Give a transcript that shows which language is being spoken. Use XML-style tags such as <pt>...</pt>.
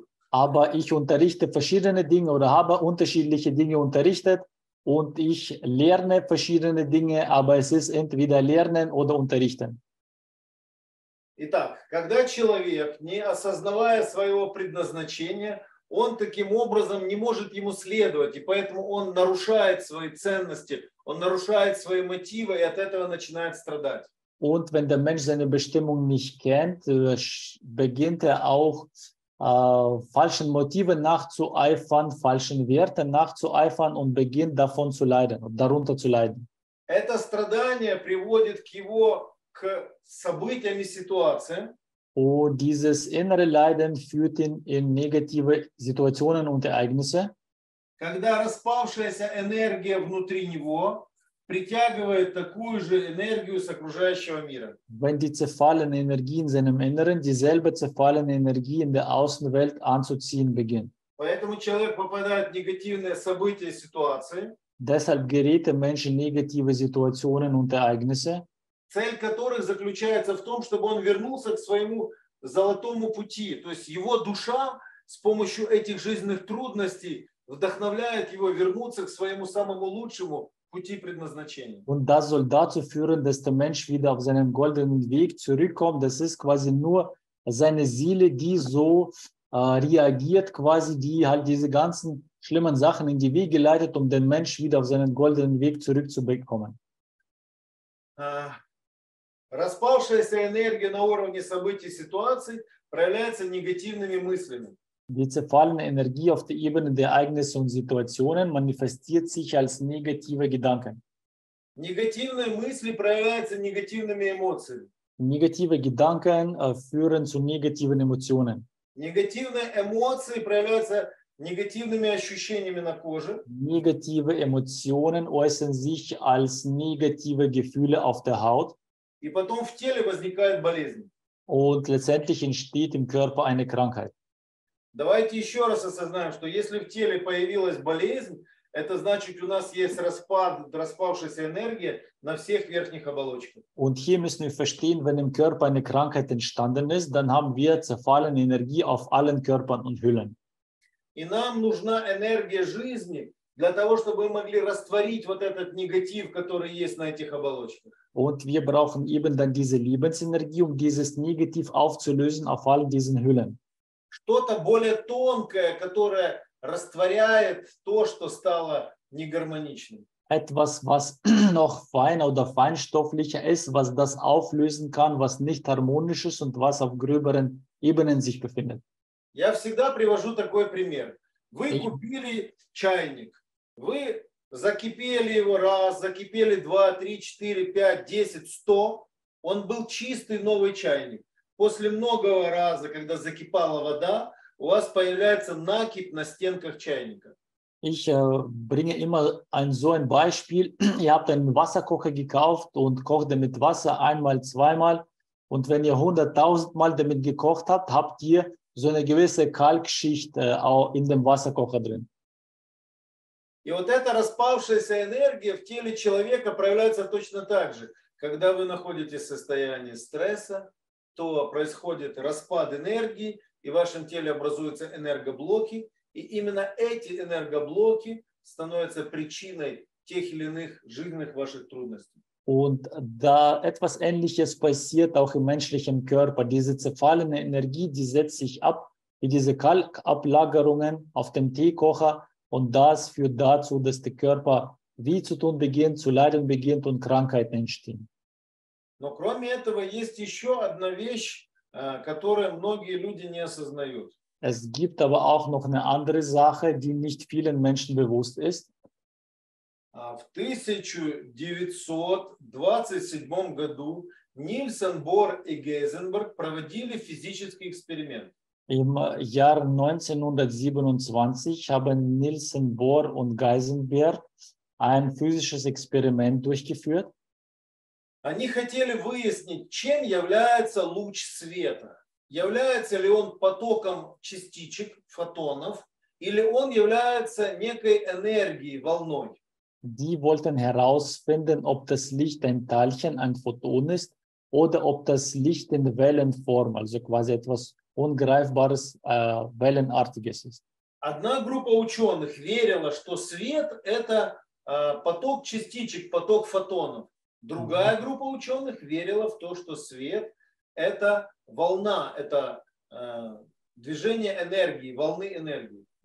<de>Aber ich unterrichte verschiedene Dinge oder habe unterschiedliche Dinge unterrichtet und ich lerne verschiedene Dinge, aber es ist entweder lernen oder unterrichten.</de> <ru>Итак, когда человек, не осознавая своего предназначения, он таким образом не может ему следовать, и поэтому он нарушает свои ценности, он нарушает свои мотивы, и от этого начинает страдать.</ru> <de>Und wenn der Mensch seine Bestimmung nicht kennt, beginnt auch falschen Motiven nachzueifern, falschen Werten nachzueifern und beginnt davon zu leiden, darunter zu leiden.</de> <ru>Это страдание приводит к его к событиям и ситуациям.</ru> <de>Und dieses innere Leiden führt ihn in negative Situationen und Ereignisse.</de> <ru>Когда распавшаяся энергия внутри него притягивает такую же энергию с окружающего мира.</ru> <de>Wenn die zerfallene Energie in seinem Inneren dieselbe zerfallene Energie in der Außenwelt anzuziehen beginnt.</de> <ru>Поэтому человек попадает в негативные события и ситуации.</ru> <de>Deshalb gerät der Mensch in negative Situationen und Ereignisse.</de> <ru>Цель которых заключается в том, чтобы он вернулся к своему золотому пути. То есть его душа с помощью этих жизненных трудностей вдохновляет его вернуться к своему самому лучшему пути предназначения.</ru> <de>Und das soll dazu führen, dass der Mensch wieder auf seinen goldenen Weg zurückkommt. Das ist quasi nur seine Seele, die so reagiert, quasi die halt diese ganzen schlimmen Sachen in die Wege leitet, um den Mensch wieder auf seinen goldenen Weg zurückzubekommen.</de> <ru>Распавшаяся энергия на уровне событий и ситуаций проявляется негативными мыслями.</ru> <de>Die zerfallene Energie auf der Ebene der Ereignisse und Situationen manifestiert sich als negative Gedanken.</de> <ru>Негативные мысли проявляются негативными эмоциями.</ru> <de>Negative Gedanken führen zu negativen Emotionen.</de> <ru>Негативные эмоции проявляются негативными ощущениями на коже.</ru> <de>Negative Emotionen äußern sich als negative Gefühle auf der Haut.</de> <ru>И потом в теле возникает болезнь.</ru> <de>Und letztendlich entsteht im Körper eine Krankheit.</de> <ru>Давайте еще раз осознаем, что если в теле появилась болезнь, это значит, у нас есть распавшаяся энергия на всех верхних оболочках.</ru> <de>Und hier müssen wir verstehen, wenn im Körper eine Krankheit entstanden ist, dann haben wir zerfallene Energie auf allen Körpern und Hüllen.</de> <ru>И нам нужна энергия жизни для того, чтобы мы могли растворить вот этот негатив, который есть на этих оболочках.</ru> <de>Und wir brauchen eben dann diese Lebensenergie, um dieses Negativ aufzulösen auf all diesen Hüllen.</de> <ru>Что-то более тонкое, которое растворяет то, что стало негармоничным.</ru> <de>Etwas, was noch feiner oder feinstofflicher ist, was das auflösen kann, was nicht harmonisch ist und was auf gröberen Ebenen sich befindet.</de> <ru>Я всегда привожу такой пример. Вы купили чайник. Вы закипели его раз, закипели два, три, четыре, пять, десять, сто. Он был чистый новый чайник. После многого раза, когда закипала вода, у вас появляется накипь на стенках чайника.</ru> <de>Ich bringe immer ein Beispiel. Ihr habt einen Wasserkocher gekauft und kocht damit Wasser einmal, zweimal. Und wenn ihr 100.000 Mal damit gekocht habt, habt ihr so eine gewisse Kalkschicht auch in dem Wasserkocher drin.</de> <ru>И вот эта распавшаяся энергия в теле человека проявляется точно так же. Когда вы находитесь в состоянии стресса, то происходит распад энергии, и в вашем теле образуются энергоблоки, и именно эти энергоблоки становятся причиной тех или иных жизненных ваших трудностей.</ru> <de>Und da etwas Ähnliches passiert auch im menschlichen Körper. Diese zerfallene Energie, die setzt sich ab, wie diese Kalkablagerungen auf dem Teekocher. Und das führt dazu, dass der Körper wie zu tun beginnt, zu leiden beginnt und Krankheiten entstehen.</de> <ru>Но кроме этого есть еще одна вещь, которую многие люди не осознают.</ru> <de>Es gibt aber auch noch eine andere Sache, die nicht vielen Menschen bewusst ist.</de> <ru>В 1927 году Нильсен Бор и Гейзенберг проводили физический эксперимент.</ru> <de>Im Jahr 1927 haben Nielsen Bohr und Geisenberg ein physisches Experiment durchgeführt.</de> <ru>Они хотели выяснить, чем является луч света. Является ли он потоком частичек, фотонов, или он является некой энергией, волной?</ru> <de>Die wollten herausfinden, ob das Licht ein Teilchen, ein Photon ist, oder ob das Licht in Wellenform, also quasi etwas ungreifbares, wellenartiges ist.</de> <ru>Одна группа ученых верила, что свет – это поток частичек, поток фотонов. Другая группа ученых верила в то, что свет – это волна, это движение энергии, волны энергии.</ru>